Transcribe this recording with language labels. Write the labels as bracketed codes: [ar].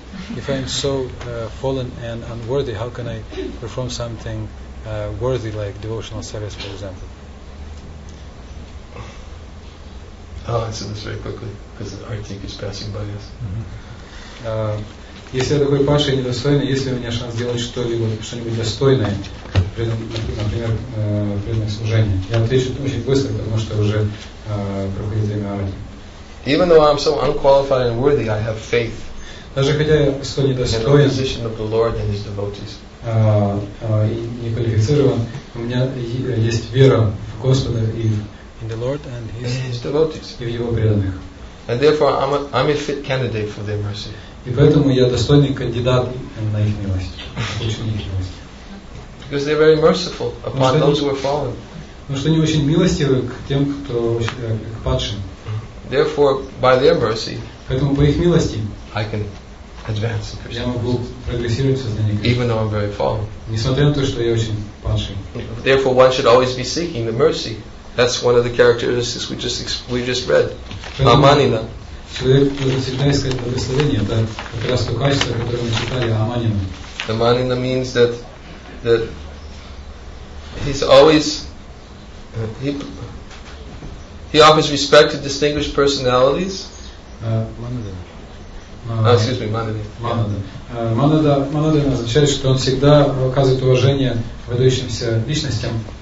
[en] If I am so fallen and unworthy, how can I perform something worthy, like devotional service, for example? I'll answer this very quickly because I think it's passing by us. [ru] Если я такой Паша недостойный, есть ли у меня шанс сделать что-либо, что-нибудь достойное, например, преданное служение? Я отвечу очень быстро, потому что уже проходит время арати. [en] Even though I'm so unqualified and worthy, I have faith. [ru] Даже хотя я столь недостоин, [en] in the position of the Lord and His devotees. [ru] Не квалифицирован, у меня есть вера в Господа и в [en] in the Lord and His devotees. [ru] И в Его преданных. [en] And therefore, I'm a fit candidate for their mercy. [ru] И поэтому я достойный кандидат на их милость, очень их милость. [en] Because they're very merciful upon those who are fallen. [ru] Потому что они очень милостивы к тем, кто к падшим. [en] Therefore, by their mercy, [ru] поэтому по их милости, [en] I can advance. [ru] Я могу прогрессировать в сознании Кришны. [en] Even though I'm very fallen. [ru] Несмотря на то, что я очень падший. [en] Therefore, one should always be seeking the mercy. That's one of the characteristics we just read. [ru] Аманина. Человек должен всегда искать благословение. Это как раз то качество, которое мы читали о Аманине. [en] The Аманина means that he's always he offers respect to distinguished personalities. [ru] Манада означает, что он всегда оказывает уважение выдающимся личностям.